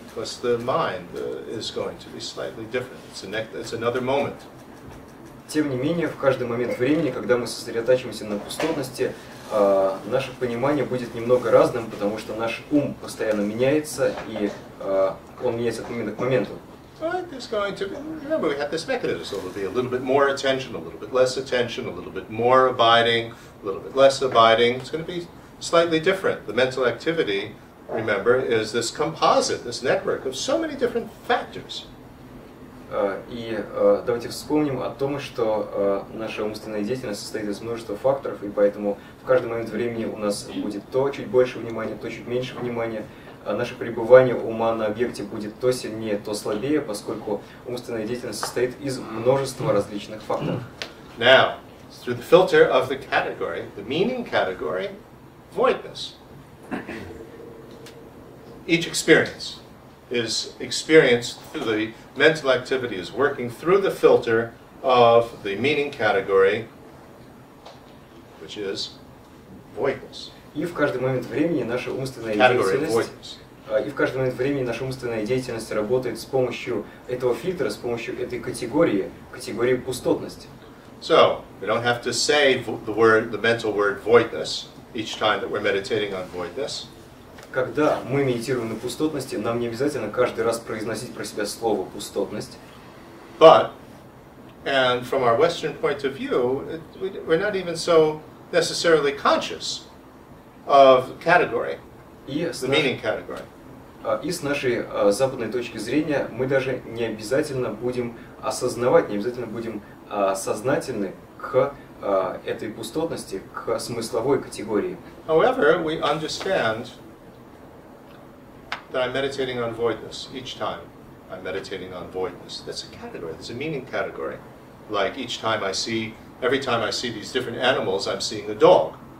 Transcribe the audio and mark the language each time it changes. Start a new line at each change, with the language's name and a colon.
English: Plus the mind is going to be slightly different. It's another moment.
Russian: Тем не менее, в каждый момент времени, когда мы сосредотачиваемся на пустотности, наше понимание будет немного разным, потому что наш ум постоянно меняется, и он меняется от момента к моменту.
English: Right. think there's going to be, remember, we have this mechanism, so it'll be a little bit more attention, a little bit less attention, a little bit more abiding, a little bit less abiding. It's going to be slightly different. The mental activity, remember, is this composite, this network of so many different factors.
Russian: И давайте вспомним о том, что наша умственная деятельность состоит из множества факторов, и поэтому в каждый момент времени у нас будет то чуть больше внимания, то чуть меньше внимания. Наше пребывание ума на объекте будет то сильнее, то слабее, поскольку умственная деятельность состоит из множества различных факторов.
English: Now, through the filter of the category, the meaning category, voidness. Each experience is experienced through the mental activity is working through the filter of the meaning category, which is voidness.
Russian: И в каждый момент времени наша умственная деятельность, и в каждый момент времени наша умственная деятельность работает с помощью этого фильтра, с помощью этой категории, категории пустотности.
English: So we don't have to say the word, the mental word voidness each time that we're meditating on voidness.
Russian: Когда мы медитируем на пустотности, нам не обязательно каждый раз произносить про себя слово пустотность.
English: But and from our Western point of view, we're not even so necessarily conscious of category, the meaning category.
Russian: И с нашей западной точки зрения мы даже не обязательно будем осознавать, не обязательно будем сознательны к этой пустотности, к смысловой категории.
English: However, we understand that I'm meditating on voidness each time. I'm meditating on voidness. That's a category. That's a meaning category. Like each time I see, every time I see these different animals, I'm seeing a dog.